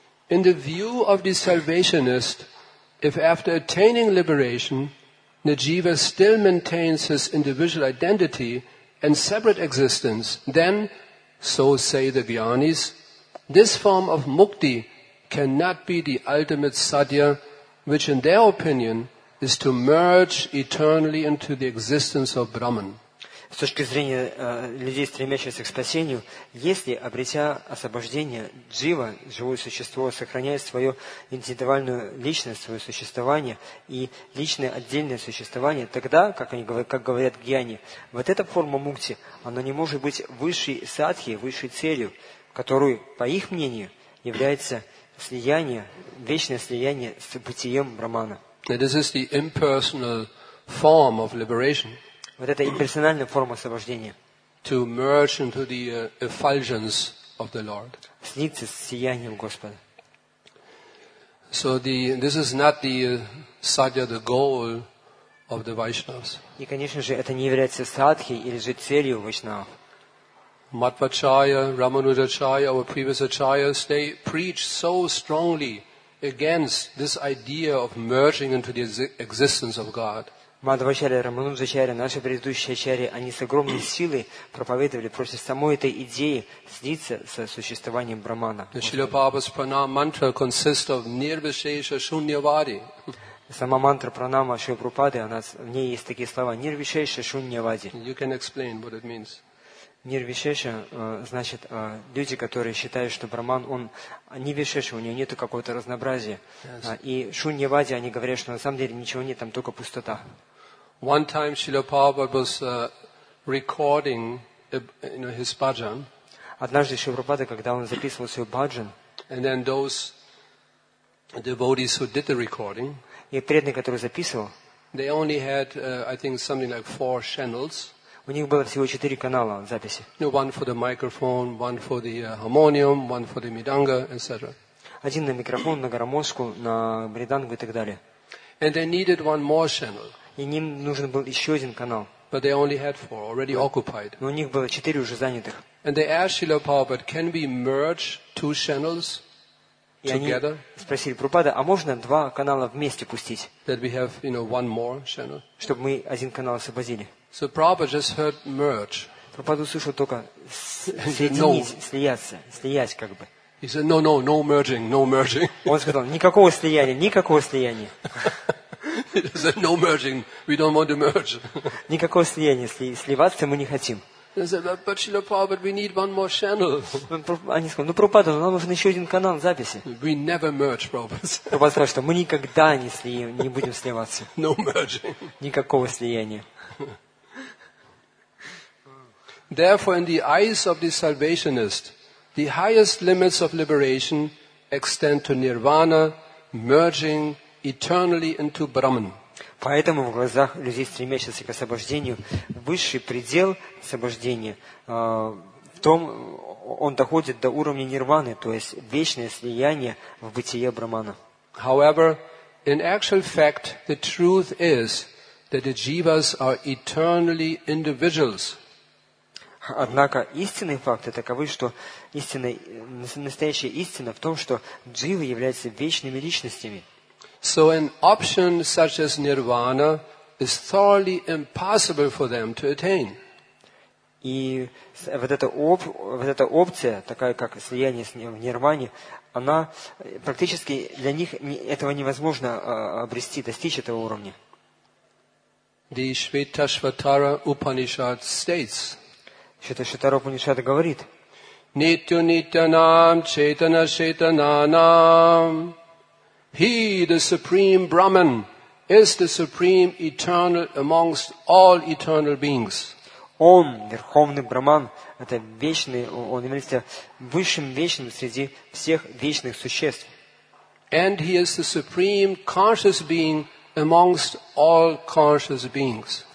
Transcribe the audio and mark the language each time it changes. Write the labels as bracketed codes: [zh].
[en] In the view of the salvationist, if after attaining liberation, the jiva still maintains his individual identity and separate existence, then, so say the jnanis, this form of mukti cannot be the ultimate satya, which in their opinion is to merge eternally into the existence of Brahman. [ru] С точки зрения людей, стремящихся к спасению, если, обретя освобождение, джива, живое существо, сохраняет свою индивидуальную личность, свое существование и личное отдельное существование, тогда, как они говорят, как говорят гьяни, вот эта форма мукти, она не может быть высшей садхи, высшей целью, которую, по их мнению, является слияние, вечное слияние с бытием Брахмана. [en] This is the impersonal form of liberation. [ru] Вот это имперсональная форма освобождения. [en] To merge into the effulgence of the Lord. [ru] Слиться с сиянием Господа. [en] So this is not the sadhya, the goal of the Vaishnavas. [ru] И, конечно же, это не является садхи или же целью Вайшнав. [en] Madhvacharya, Ramanujacharya, our previous acharyas, they preach so strongly against this idea of merging into the existence of God. [ru] Мадхвачарья, Рамануджачарья, наши предыдущие ачарьи, они с огромной силой проповедовали против самой этой идеи слиться со существованием Брахмана. [en] Шрила Прабхупада's pranam mantra consists of [sa] nirvishesha shunyavadi. [ru] Сама мантра пранама Шрила Прабхупады, в ней есть такие слова [sa] nirvishesha shunyavadi. [en] You can explain what it means. [ru] Нирвишеша значит люди, которые считают, что Брахман, он не вишеша, у него нет какого-то разнообразия. [en] Yes. [ru] И шуньявади, они говорят, что на самом деле ничего нет, там только пустота. [en] One time Srila Prabhupada was recording his bhajan. [ru] Однажды Шрила Прабхупада, когда он записывал свой бхаджан, [en] and then those devotees who did the recording, [ru] и преданные, которые записывал, [en] they only had, I think, something like 4 channels. [ru] У них было всего 4 канала записи. [en] One for the microphone, one for the harmonium, one for the midanga, etc. [ru] Один на микрофон, на гармошку, на мридангу и так далее. [en] And they needed one more channel. [ru] И им нужен был еще один канал. [en] But they only had 4 already occupied. [ru] Но у них было 4 уже занятых. [en] And they asked Srila Prabhupada, can we merge 2 channels together? [ru] И они спросили Прабхупада, а можно 2 канала вместе пустить? [en] That we have, one more channel. [ru] Чтобы мы один канал освободили. [en] So Prabhupada just heard merge. [ru] Прабхупада услышал только соединить, слияться, слиять как бы. [en] He said, no, no, no merging, no merging. [ru] Он сказал, никакого слияния, никакого слияния. [en] He said, no merging, we don't want to merge. [ru] Никакого слияния, сливаться мы не хотим. [en] He said, but Srila Prabhupada, we need one more channel. [ru] Они сказали, ну Прабхупада, нам нужен еще один канал записи. [en] We never merge, Prabhupada. [ru] Прабхупада сказал, что мы никогда не будем сливаться. [en] No merging. [ru] Никакого слияния. [en] Therefore, in the eyes of the salvationist, the highest limits of liberation extend to nirvana, merging eternally into Brahman. [ru] Поэтому в глазах людей, стремящихся к освобождению, высший предел освобождения в том, он доходит до уровня нирваны, то есть вечное слияние в бытие Брахмана. [en] However, in actual fact, the truth is that the jivas are eternally individuals. [ru] Однако истинные факты таковы, что настоящая истина в том, что дживы являются вечными личностями. [en] So an option such as nirvana is thoroughly impossible for them to attain. [ru] И вот эта опция, такая как слияние в нирване, она практически для них этого невозможно обрести, достичь этого уровня. [en] The Shvetashvatara Upanishad states. [ru] Шветашватара Упанишада говорит. [sa] Нитю нитянам четана шетананам. [en] He, the Supreme Brahman, is the Supreme Eternal amongst all eternal beings. [ru] Он, Верховный Брахман, это вечный, он является высшим вечным среди всех вечных существ. [en] And he is the Supreme Conscious Being amongst all conscious beings.